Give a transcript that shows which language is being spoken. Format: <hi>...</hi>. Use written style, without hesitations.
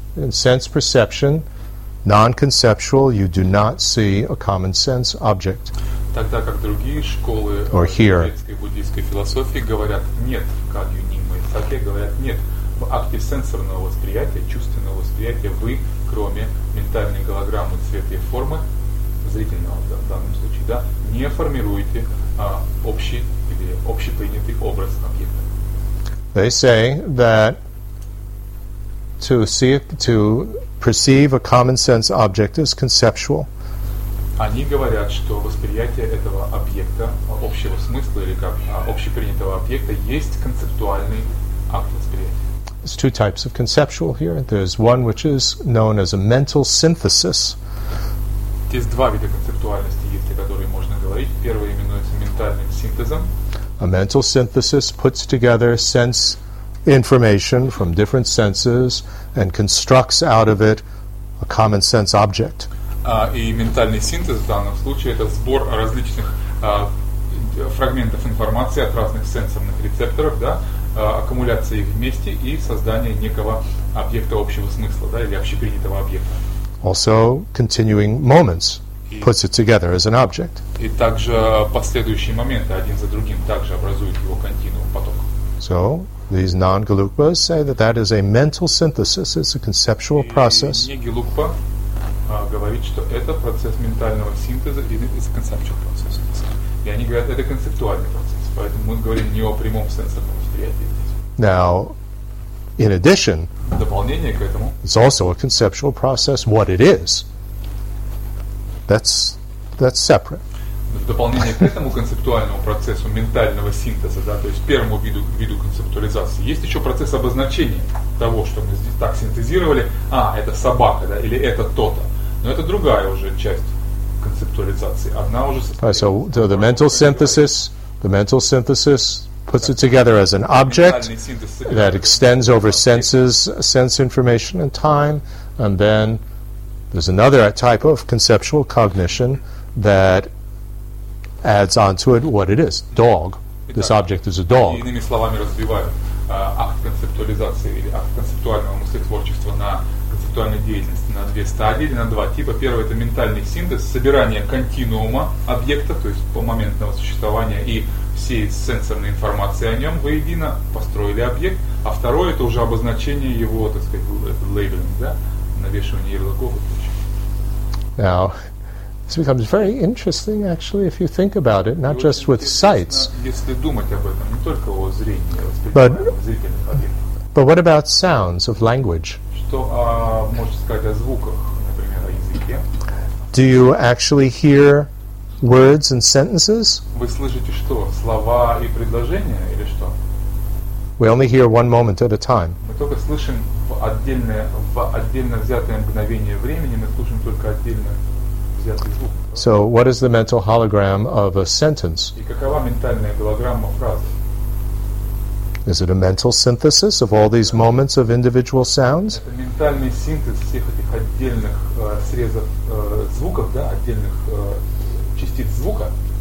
<en>In sense perception, non-conceptual, you do not see a common sense object.</en> <ru>Тогда как другие школы тибетской буддийской философии говорят нет, Кагью, Нингма и Сакья говорят нет. В акте сенсорного восприятия, чувственного восприятия, вы, кроме ментальной голограммы цвета и формы, зрительного, да, в данном случае, да, не формируете общий или общепринятый образ объекта.</ru> <en>They say that to see, to perceive a common sense object is conceptual.</en> <ru>Они говорят, что восприятие этого объекта, общего смысла или как общепринятого объекта, есть концептуальный акт восприятия.</ru> <en>There's two types of conceptual here. There's one which is known as a mental synthesis.</en> <ru>Есть два вида концептуальности, о которых можно говорить. Первый именуется ментальным синтезом.</ru> <en>A mental synthesis puts together sense information from different senses and constructs out of it a common sense object.</en> <ru>И ментальный синтез в данном случае это сбор различных фрагментов информации от разных сенсорных рецепторов, да, аккумуляция их вместе и создание некого объекта общего смысла, да, или общепринятого объекта.</ru> <en>Also, continuing moments puts it together as an object.</en> <ru>И также последующие моменты один за другим также образуют его континуум, поток.</ru> <en>So, these non-galukpas say that that is a mental synthesis, it's a conceptual process.</en> <ru>И не-галукпа говорит, что это процесс ментального синтеза,</ru> <en>it's a conceptual process.</en> <ru>И они говорят, это концептуальный процесс, поэтому мы говорим не о прямом сенсорном восприятии здесь.</ru> <en>Now, in addition,</en> <ru>дополнение к этому,</ru> <en>it's also a conceptual process, what it is. That's separate.</en> <ru>В дополнение к этому концептуальному процессу ментального синтеза, да, то есть первому виду концептуализации, есть еще процесс обозначения того, что мы здесь так синтезировали, а, это собака, да, или это то-то. Но это другая уже часть.</ru> <en>So the mental synthesis, puts it together as an object that extends over senses, sense information and time, and then there's another type of conceptual cognition that adds onto it what it is. Dog. This object is a dog.</en> <ru>Иными словами, разбивают акт концептуализации или акт концептуального мыслетворчества на концептуальной деятельности на две стадии или на два типа. Первый – это ментальный синтез, собирание континуума объекта, то есть по моментного существования и всей сенсорной информации о нем воедино построили объект. А второе – это уже обозначение его, так сказать, лейблинг, да, навешивание ярлыков и прочее.</ru> <en>Now, this becomes very interesting, actually, if you think about it, not just with sights.</en> <ru>Если думать об этом, не только о зрении, а воспринимаемых зрительных объектах.</ru> <en>But what about sounds of language?</en> <ru>Что, можно сказать о звуках, например, о языке?</ru> <en>Do you actually hear words and sentences?</en> <ru>Вы слышите что, слова и предложения или что?</ru> <en>We only hear one moment at a time.</en> <ru>Мы только слышим в отдельно взятое мгновение времени, мы слышим только отдельно взятый звук.</ru> <en>So what is the mental hologram of a sentence?</en> <ru>И какова ментальная голограмма фразы?</ru> <en>Is it a mental synthesis of all these moments of individual sounds?</en> <ru>Это ментальный синтез всех этих отдельных срезов звуков, да, отдельных частиц звука.</ru>